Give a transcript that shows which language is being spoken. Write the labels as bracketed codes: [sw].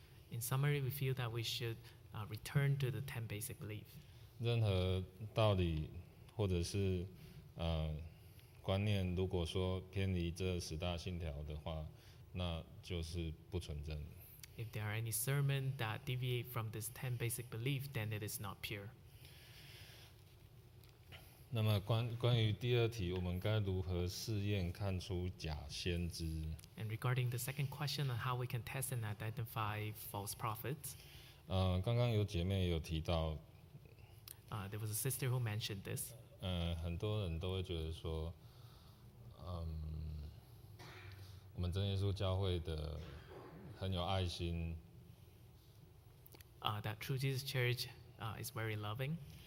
[en] In summary, we feel that we should return to the 10 basic beliefs. [zh] 任何道理或者是观念，如果说偏离这十大信条的话，那就是不纯正。 [en] If there are any sermon that deviate from this 10 basic beliefs, then it is not pure. [zh] 那么关于第二题，我们该如何试验看出假先知 [en] ？And regarding the second question on how we can test and identify false prophets. [zh] 刚刚有姐妹有提到。 [en] There was a sister who mentioned this. [zh] 很多人都会觉得说，我们真耶稣教会的很有爱心。 [en] That True Jesus Church is very loving.